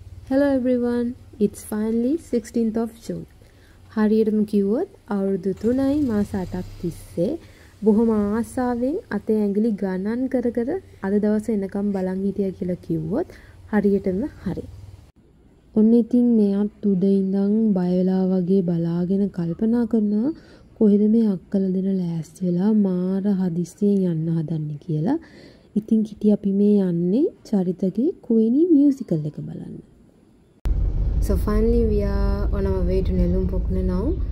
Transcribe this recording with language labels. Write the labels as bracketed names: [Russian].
[English] Hello everyone, it's finally 16th of June. [Sinhala] හරියටම කිව්වොත් අවුරුදු 3යි මාස 8ක් තිස්සේ බොහොම ආසාවෙන් අතේ ඇඟිලි ගණන් කර කර අද දවසේ එනකම් බලන් හිටියා කියලා කිව්වොත් හරියටම හරි. ඔන්න ඉතින් මෙයාත් උදේ ඉඳන් බය වෙලා වගේ බලාගෙන කල්පනා කරන කොහෙද මේ අක්කල දෙන ලෑස්ති වෙලා මාර හදිස්සියෙන් යන්න හදන්නේ කියලා. ඉතින් කිටි අපි මේ යන්නේ චරිතගේ කුවෙනි මියුසිකල් එක බලන්න. [English] So finally we are on our way to Nelum Pokuna now.